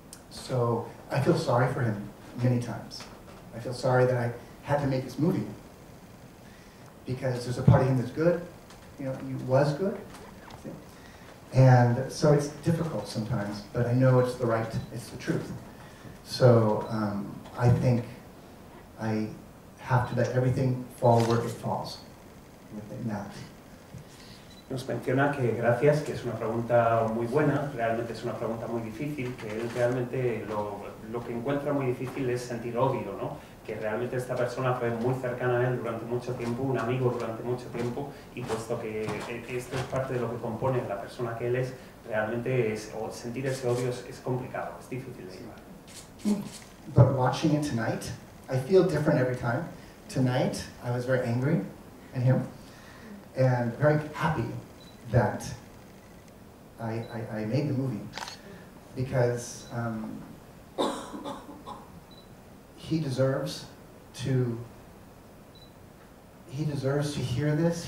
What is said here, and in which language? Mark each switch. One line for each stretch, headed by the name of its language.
English: So I feel sorry for him many times. I feel sorry that I had to make this movie because there's a part of him that's good, you know. He was good, and so it's difficult sometimes. But I know it's the right, it's the truth. So I think I have to let everything fall where it falls.
Spanish: Nos menciona que gracias, que es una pregunta muy buena, realmente es una pregunta muy difícil, que él realmente lo que encuentra muy difícil es sentir odio, ¿no? Que realmente esta persona fue muy cercana a él durante mucho tiempo, un amigo durante mucho tiempo, y puesto que esto es parte de lo que compone la persona que él es, realmente es, o sentir ese odio es complicado, es difícil de llevar.
English: But watching it tonight, I feel different every time. Tonight, I was very angry at him, and very happy that I made the movie, because he deserves to hear this.